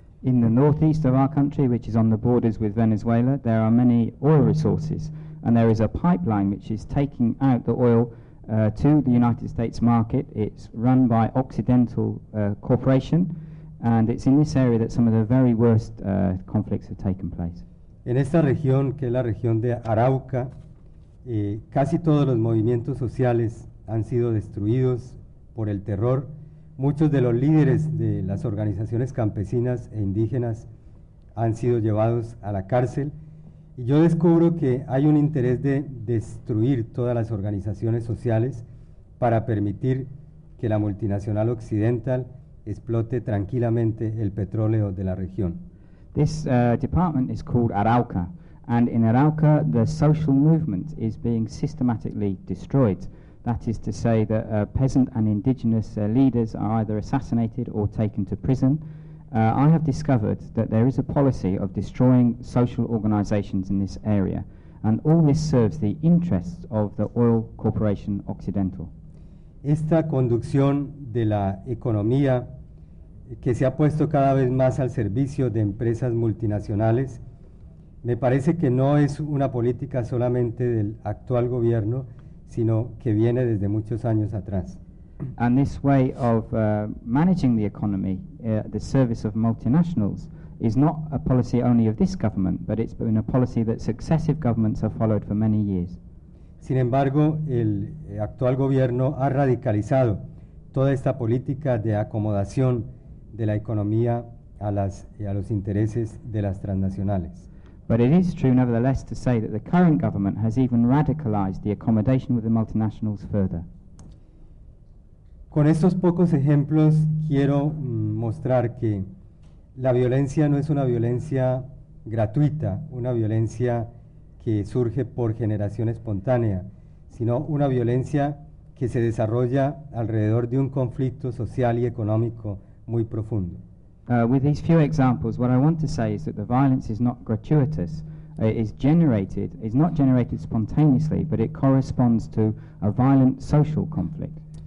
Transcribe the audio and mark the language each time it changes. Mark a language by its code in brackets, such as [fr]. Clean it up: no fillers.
[en] In the northeast of our country, which is on the borders with Venezuela, there are many oil resources, and there is a pipeline which is taking out the oil to the United States market. It's run by Occidental Corporation, And it's in this area that some of the very worst conflicts have taken place. [es] En esta región, que es la región de Arauca, casi todos los movimientos sociales han sido destruidos por el terror. Muchos de los líderes de las organizaciones campesinas e indígenas han sido llevados a la cárcel. Y yo descubro que hay un interés de destruir todas las organizaciones sociales para permitir que la multinacional Occidental explote tranquilamente el petróleo de la región. [en] This department is called Arauca, and in Arauca, the social movement is being systematically destroyed. That is to say that peasant and indigenous leaders are either assassinated or taken to prison. I have discovered that there is a policy of destroying social organizations in this area, and all this serves the interests of the oil corporation Occidental. [es] Esta conducción de la economía que se ha puesto cada vez más al servicio de empresas multinacionales, me parece que no es una política solamente del actual gobierno, sino que viene desde muchos años atrás. [en] And this way of managing the economy, the service of multinationals, is not a policy only of this government, but it's been a policy that successive governments have followed for many years. [es] Sin embargo, el actual gobierno ha radicalizado toda esta política de acomodación de la economía a los intereses de las transnacionales. [en] But it is true, nevertheless, to say that the current government has even radicalized the accommodation with the multinationals further. [es] Con estos pocos ejemplos quiero mostrar que la violencia no es una violencia gratuita, una violencia que surge por generación espontánea, sino una violencia que se desarrolla alrededor de un conflicto social y económico muy profundo. [en] With these few examples, what I want to say is that the violence is not gratuitous. It's not generated spontaneously, but it corresponds to a violent social conflict.